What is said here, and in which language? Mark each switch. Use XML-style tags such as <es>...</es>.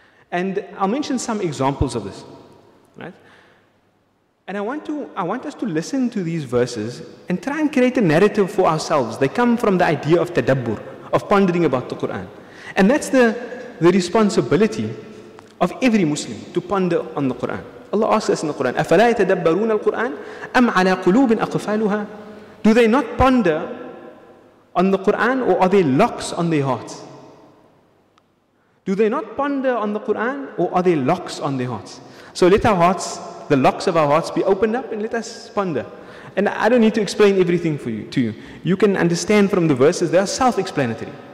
<en>And I'll mention some examples of this. Right? And I want us to listen to these verses and try and create a narrative for ourselves. They come from the idea of tadabbur, of pondering about the Quran. And that's the responsibility of every Muslim, to ponder on the Quran. Allah asks us in the Quran,</en> <ar>أَفَلَا يَتَدَبَّرُونَ الْقُرْآنَ أَمْ عَلَىٰ قُلُوبٍ أَقْفَالُهَا.</ar> <en>Do they not ponder on the Quran, or are there locks on their hearts? Do they not ponder on the Quran, or are there locks on their hearts? So let our hearts, the locks of our hearts, be opened up and let us ponder. And I don't need to explain everything to you. You can understand from the verses, they are self-explanatory.</en>